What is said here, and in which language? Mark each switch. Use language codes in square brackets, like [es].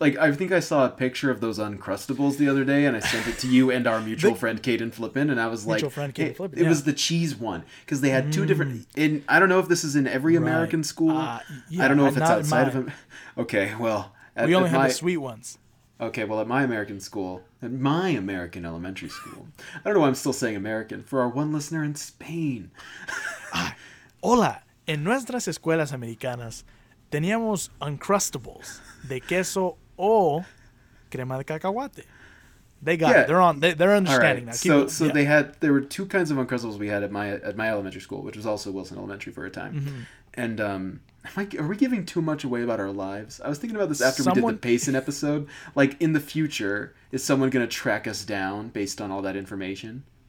[en] like, I think I saw a picture of those Uncrustables the other day, and I sent it to you and our mutual friend, Caden Flippin, and I was like, it was the cheese one, because they had two different, I don't know if this is in every American school. Yeah, I don't know if it's outside of them. Okay, well. We only have the sweet ones. Okay, well, at my American elementary school, I don't know why I'm still saying American, for our one listener in Spain. [es] Hola, en nuestras escuelas americanas, teníamos Uncrustables de queso o crema de cacahuate. [en] They got it. They're understanding that. Right. So yeah. there were two kinds of Uncrustables we had at my elementary school, which was also Wilson Elementary for a time. Mm-hmm. And are we giving too much away about our lives? I was thinking about this after we did the Payson episode. Like, in the future, is someone going to track us down based on all that information?